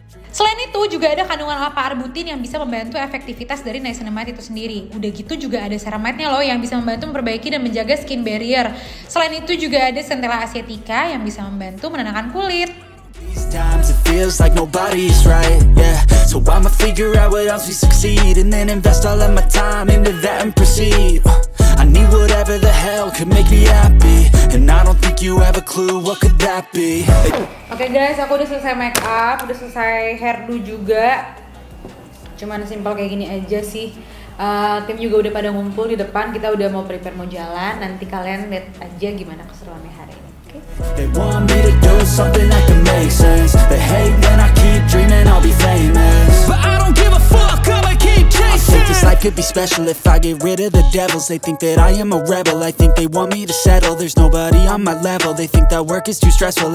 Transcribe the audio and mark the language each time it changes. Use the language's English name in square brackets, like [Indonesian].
[Indonesian] Selain itu, juga ada kandungan kelapa arbutin yang bisa membantu efektivitas dari niacinamide itu sendiri. Udah gitu juga ada ceramide-nya loh yang bisa membantu memperbaiki dan menjaga skin barrier. Selain itu juga ada centella asiatica yang bisa membantu menenangkan kulit. [English] Times it feels like nobody's right, yeah. So I'ma figure out what else we succeed, and then invest all of my time into that and proceed. I need whatever the hell could make me happy, and I don't think you have a clue what could that be. [Indonesian] Okay guys, aku udah selesai make up, udah selesai hairdo juga. Cuman simpel kayak gini aja sih. Tim juga udah pada ngumpul di depan, kita udah mau prepare mau jalan. Nanti kalian lihat aja gimana keseruannya hari ini. [English] They want me to do something that can make sense. They hate when I keep dreaming I'll be famous. But I don't give a fuck, I'ma keep chasing. I think this life could be special if I get rid of the devils. They think that I am a rebel, I think they want me to settle. There's nobody on my level, they think that work is too stressful.